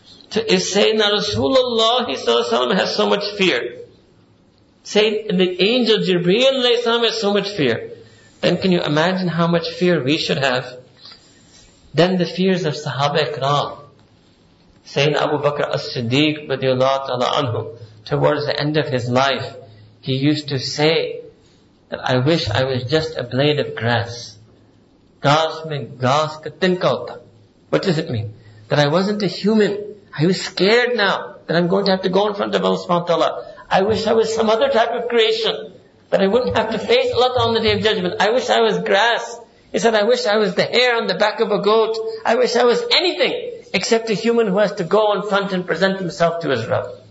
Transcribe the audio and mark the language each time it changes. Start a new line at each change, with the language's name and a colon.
English: So if Sayyidina Rasulullah sallallahu alayhi wa sallam has so much fear, say the angel Jibreel alayhi wa sallam has so much fear, then can you imagine how much fear we should have? Then the fears of Sahaba Ikram, Sayyidina Abu Bakr as-Siddiq radiyallahu ta'ala anhu, towards the end of his life, he used to say that I wish I was just a blade of grass.
Urdu: گھاس میں گھاس کا تنکا ہوتا۔
English: What does it mean? That I wasn't a human. I was scared now that I'm going to have to go in front of Allah subhanahu wa ta'ala. I wish I was some other type of creation, that I wouldn't have to face Allah on the day of judgment. I wish I was grass. He said, I wish I was the hair on the back of a goat. I wish I was anything except a human who has to go in front and present himself to his Rabb.